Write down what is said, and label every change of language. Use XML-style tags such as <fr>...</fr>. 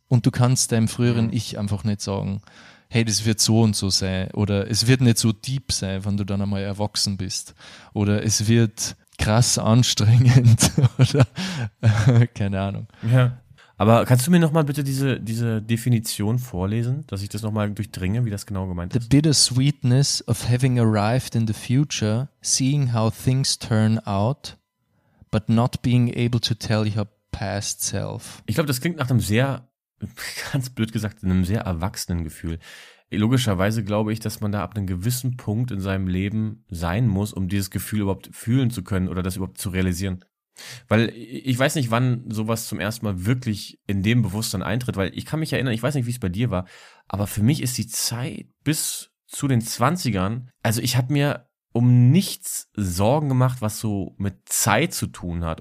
<de>Und du kannst deinem früheren Ich einfach nicht sagen, hey, das wird so und so sein. Oder es wird nicht so deep sein, wenn du dann einmal erwachsen bist. Oder es wird krass anstrengend. Oder keine Ahnung. Ja. Aber kannst du mir nochmal bitte diese Definition vorlesen, dass ich das nochmal durchdringe, wie das genau gemeint ist?</de> <en>The bittersweetness of having arrived in the future, seeing how things turn out, but not being able to tell your past self.</en> <de>Ich glaube, das klingt nach einem sehr, ganz blöd gesagt, in einem sehr erwachsenen Gefühl. Logischerweise glaube ich, dass man da ab einem gewissen Punkt in seinem Leben sein muss, um dieses Gefühl überhaupt fühlen zu können oder das überhaupt zu realisieren. Weil ich weiß nicht, wann sowas zum ersten Mal wirklich in dem Bewusstsein eintritt, weil ich kann mich erinnern, ich weiß nicht, wie es bei dir war, aber für mich ist die Zeit bis zu den 20ern, also ich habe mir um nichts Sorgen gemacht, was so mit Zeit zu tun hat.</de>